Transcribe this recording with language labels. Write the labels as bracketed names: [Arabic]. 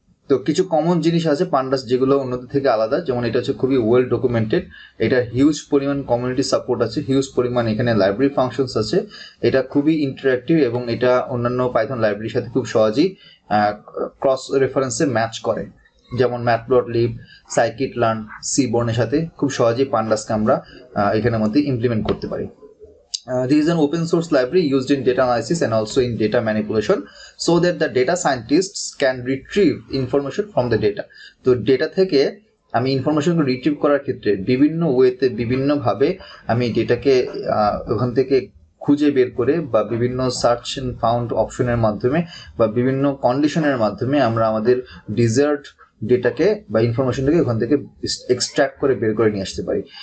[Bangla] তো কিছু কমন জিনিস আছে পান্ডাস যেগুলো অন্যদের থেকে আলাদা, যেমন এটা হচ্ছে খুবই ওয়েল ডকুমেন্টেড, এটা হিউজ পরিমাণ কমিউনিটি সাপোর্ট আছে, হিউজ পরিমাণ এখানে লাইব্রেরি ফাংশনস আছে, এটা খুবই ইন্টারঅ্যাক্টিভ এবং এটা অন্যান্য পাইথন লাইব্রেরির সাথে খুব সহজেই ক্রস রেফারেন্সে ম্যাচ করে, যেমন ম্যাটপ্লটলিব, সাইকিট লার্ন, সিবর্নের সাথে খুব সহজেই পান্ডাসকে আমরা এখানের মধ্যে ইমপ্লিমেন্ট করতে পারি। [English] This is an open source library used in data analysis and also in data manipulation so that the data scientists can retrieve information from the data. [Bangla] So, data থেকে আমি information retrieve করার ক্ষেত্রে বিভিন্ন ওয়েতে বিভিন্ন ভাবে আমি ডেটাকে ওখান থেকে খুঁজে বের করে বা বিভিন্ন সার্চ এন্ড ফাউন্ড অপশনের মাধ্যমে বা বিভিন্ন কন্ডিশনের মাধ্যমে আমরা আমাদের ডিজার্ট ডেটাকে বা ইনফরমেশনটাকে ওখান থেকে এক্সট্র্যাক্ট করে বের করে নিয়ে আসতে পারি।